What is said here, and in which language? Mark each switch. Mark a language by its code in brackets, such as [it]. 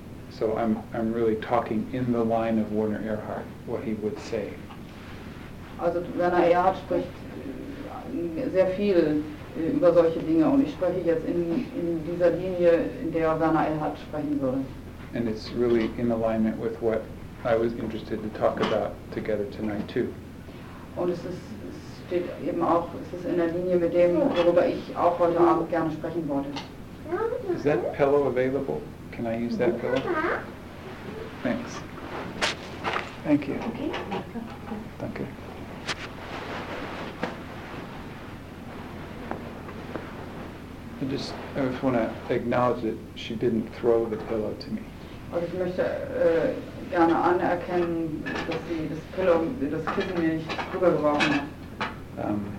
[en] So I'm really talking in the line of Werner Erhard, what he would say. [de] Also Werner Erhard spricht sehr viel über solche Dinge und ich spreche jetzt in dieser Linie, in der Werner Erhard sprechen würde. [en] And it's really in alignment with what I was interested to talk about together tonight too. [de] Und es ist in der Linie mit dem, worüber ich auch heute Abend gerne sprechen wollte. [en] Is that pillow available? Can I use that pillow? Thanks. Thank you. Okay. [de] Danke. [en] I just want to acknowledge that she didn't throw the pillow to me. [de] Also ich möchte gerne anerkennen, dass sie das Pillow, das Kissen mir nicht rübergeworfen hat.